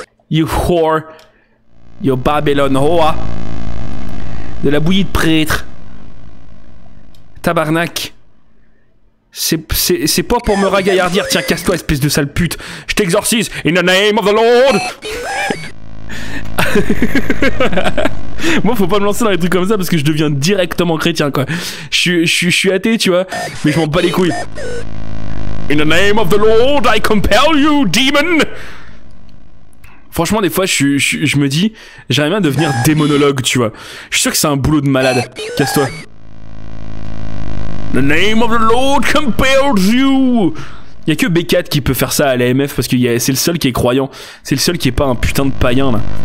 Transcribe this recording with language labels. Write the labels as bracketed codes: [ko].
[en] You whore, you Babylon whore, [fr] de la bouillie de prêtre, tabarnak, c'est pas pour me ragaillardir, tiens casse-toi espèce de sale pute, je t'exorcise, [en] in the name of the Lord. [fr] Moi faut pas me lancer dans les trucs comme ça parce que je deviens directement chrétien quoi, je suis athée tu vois, mais je m'en bats les couilles. [en] In the name of the Lord, I compel you, demon! [fr] Franchement, des fois, je me dis, j'aimerais bien devenir démonologue, tu vois. Je suis sûr que c'est un boulot de malade. Casse-toi. [en] The name of the Lord compels you! [fr] Il y a que B4 qui peut faire ça à l'AMF parce que c'est le seul qui est croyant. C'est le seul qui est pas un putain de païen, là.